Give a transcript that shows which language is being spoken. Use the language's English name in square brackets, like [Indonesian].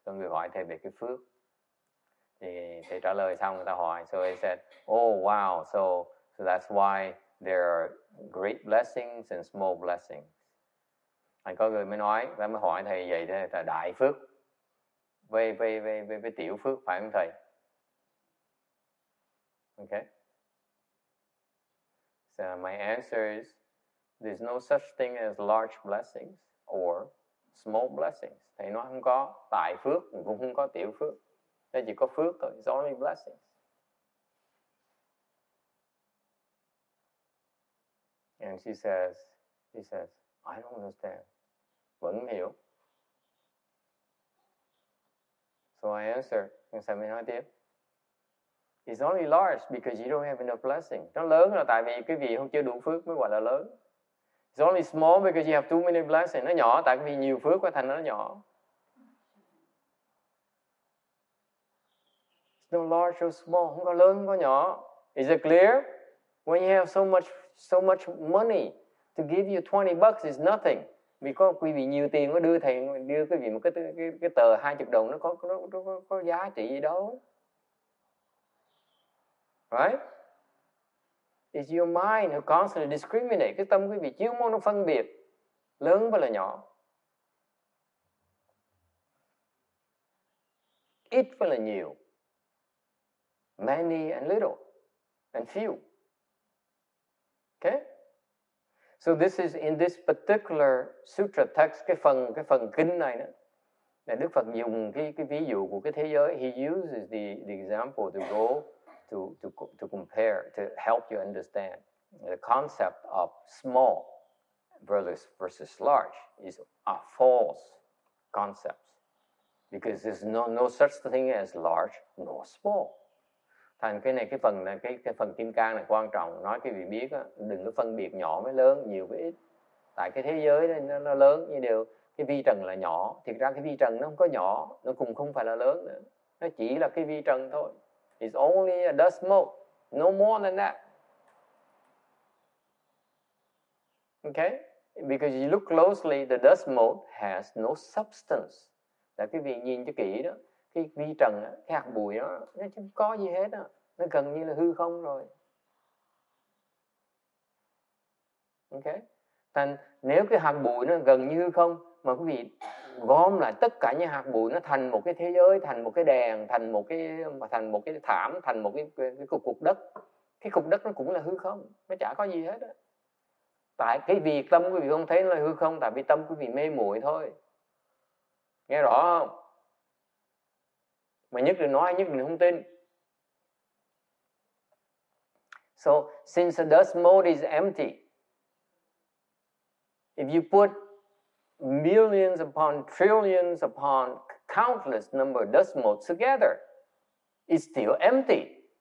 [Vietnamese] Có người hỏi thầy về cái phước. Thì thầy trả lời xong người ta hỏi. [English] So he said, oh wow, so that's why there are great blessings and small blessings. [Vietnamese] Anh có người mới nói, và mới hỏi thầy vậy thế là đại phước với tiểu phước, phải không thầy? [English] Okay. So my answer is, there's no such thing as large blessings or small blessings. [Vietnamese] Thầy nói không có đại phước, cũng không có tiểu phước. Nên chỉ có phước thôi. [English] It's only blessings. And she says, I don't understand. [Vietnamese] Vẫn hiểu. [English] So I answer, and [Vietnamese] sao mình nói tiếp? [English] It's only large because you don't have enough blessing. [Vietnamese] Nó lớn là tại vì cái vị không chưa đủ phước mới gọi là lớn. [English] It's only small because you have too many blessing. [Vietnamese] Nó nhỏ tại vì nhiều phước quá thành nó nhỏ. [English] No large or small, [Vietnamese] không có lớn, không có nhỏ. [English] Is it clear? When you have so much money to give you 20 bucks is nothing. [Vietnamese] Vì có quý vị nhiều tiền mới đưa thầy, đưa quý vị một cái tờ 20 đồng nó có giá trị gì đâu. [English] Right? It's your mind who constantly discriminate. [Vietnamese] Cái tâm quý vị chiếu muốn nó phân biệt lớn và là nhỏ. Ít và là nhiều. [English] Many and little and few. Okay? So this is in this particular sutra text, [Vietnamese] cái phần kinh này đó, là Đức Phật dùng cái ví dụ của cái thế giới. [English] He uses the example to go to compare, to help you understand the concept of small versus large is a false concept. Because there's no such thing as large nor small. [Vietnamese] Thành cái này, cái phần kim cang này quan trọng, nói cái gì biết á, đừng có phân biệt nhỏ với lớn, nhiều với ít. Tại cái thế giới này nó lớn như đều, cái vi trần là nhỏ, thiệt ra cái vi trần nó không có nhỏ, nó cũng không phải là lớn nữa. Nó chỉ là cái vi trần thôi. It's only a dust mote, no more than that. Okay? Because you look closely, the dust mote has no substance. Là cái vi nhìn cho kỹ đó. Cái vi trần, cái hạt bụi đó, nó chẳng có gì hết á. Nó gần như là hư không rồi. Ok. Thành nếu cái hạt bụi nó gần như hư không, mà quý vị gom lại tất cả những hạt bụi, nó thành một cái thế giới, thành một cái đèn, thành một cái thảm, thành một cái cục đất. Cái cục đất nó cũng là hư không. Nó chả có gì hết á. Tại cái vì tâm quý vị không thấy nó là hư không, tại vì tâm quý vị mê muội thôi. Nghe rõ không? Mà nhất định nói, nhất định không tin. [English] So, since the dust mode is empty, if you put millions upon trillions upon countless number of dust modes together, it's still empty.